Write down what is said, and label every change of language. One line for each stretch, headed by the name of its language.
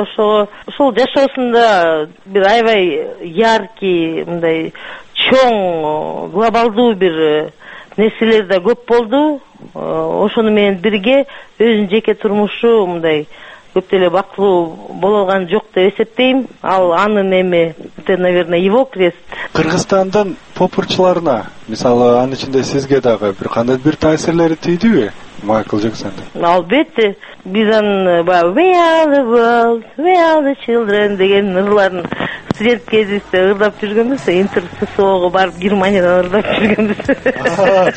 Kyrgyz: Ошол жашоосунда бир аябай яркий, мындай чоң глобалдуу бир нерселер да көп болду. Ошону менен бирге өзүнүн жеке турмушу мындай көп деле бактылуу болгон жок деп эсептейм. Ал анын эми
Russian: это, наверное, его крест.
Kyrgyz: Кыргызстандын поп ырчыларына, мисалы анын ичинде сизге дагы бир кандай бир таасирлери тийдиби Майкл Джексонду? Албетте, биз анын баягы
English: We are the world, we are the children
Kyrgyz: деген ырларын студент кезибизде ырдап жүргөнбүз, интерсосого барып Германиядан ырдап жүргөнбүз.